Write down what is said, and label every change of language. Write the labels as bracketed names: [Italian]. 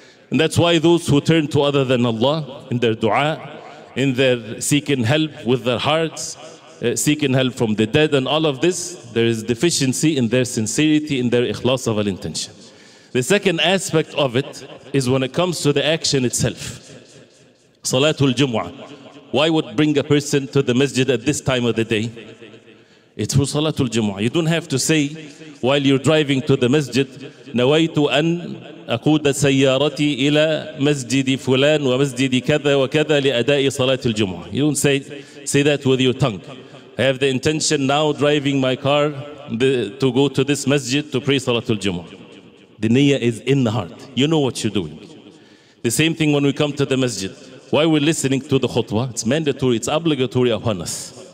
[English] And that's why those who turn to other than Allah in their dua, in their seeking help with their hearts, seeking help from the dead and all of this, there is deficiency in their sincerity, in their ikhlas of al-intention. The second aspect of it is when it comes to the action itself. Salatul Jumu'ah. Why would bring a person to the masjid at this time of the day? It's for Salatul Jumu'ah. You don't have to say while you're driving to the masjid, [Arabic] نَوَيْتُ أَنْ أَقُودَ سَيَّارَتِي إِلَى مَسْجِدِ فُلَانْ وَمَسْجِدِ كَذَا وَكَذَا لِأَدَاءِ صَلَاةِ الْجُمُعَةِ. [English] You don't say that with your tongue. I have the intention now driving my car to go to this masjid to pray Salatul Jumu'ah. The niyyah is in the heart. You know what you're doing. The same thing when we come to the masjid. Why we're listening to the khutbah? It's mandatory, it's obligatory upon us.